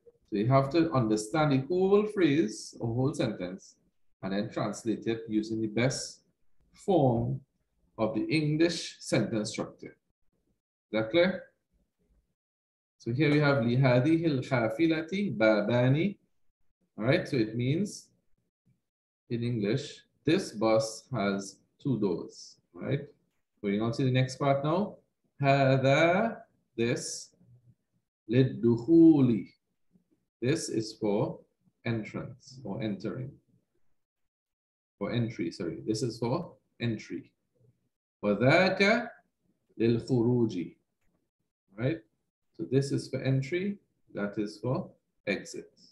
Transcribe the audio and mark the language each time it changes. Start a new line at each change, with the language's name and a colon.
English: So you have to understand the whole phrase or whole sentence and then translate it using the best form of the English sentence structure. Is that clear? So here we have
Arabic: لهذه الحافلة باباني,
English: all right? So it means in English, this bus has two doors, right? Going on to the next part now.
Arabic: هذا, this, للدخول.
English: This is for entrance or entering. For entry, sorry. This is for entry.
Arabic: وذاك للخروج.
English: Right? So this is for entry. That is for exit.